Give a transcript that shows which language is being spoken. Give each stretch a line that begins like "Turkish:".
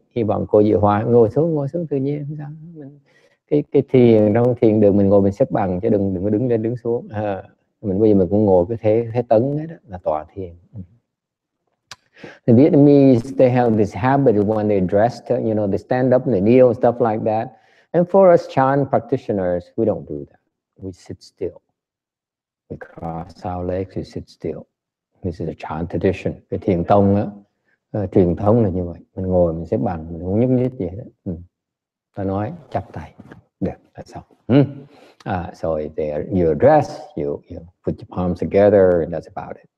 Vietnamese: Hy vọng cô Diệu Hoa ngồi xuống tự nhiên. Cái thiền trong thiền đường mình ngồi mình xếp bằng chứ đừng có đứng lên đứng xuống. Mình bây giờ mình cũng ngồi cái thế tấn ấy đó, là tọa thiền.
English: The Vietnamese, they have this habit when they dressed, you know, they stand up and they kneel, stuff like that. And for us Chan practitioners, we don't do that. We sit still. We cross our legs, we sit still. This is a Chan tradition.
Vietnamese: Cái thiền tông á, truyền thống là như vậy. Mình ngồi, mình xếp bằng, mình không nhúc nhích gì hết. Ta nói, chắp tay. Được, là xong.
English: So you dress, you put your palms together, and that's about it.